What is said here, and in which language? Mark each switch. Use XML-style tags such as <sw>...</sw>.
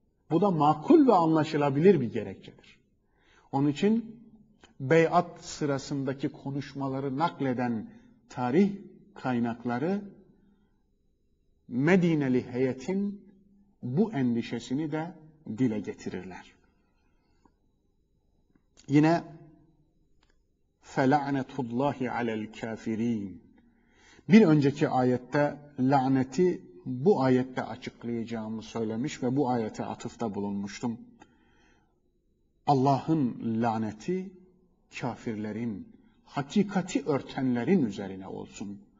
<tr>Bu da makul ve anlaşılabilir bir gerekçedir. Onun için beyat sırasındaki konuşmaları nakleden tarih kaynakları Medineli heyetin bu endişesini de dile getirirler. Yine</tr> <ar>فَلَعْنَةُ اللّٰهِ عَلَى الْكَافِر۪ينَ.</ar> <tr>Bir önceki ayette laneti bu ayette açıklayacağımı söylemiş ve bu ayete atıfta bulunmuştum. Allah'ın laneti kafirlerin, hakikati örtenlerin üzerine olsun.</tr>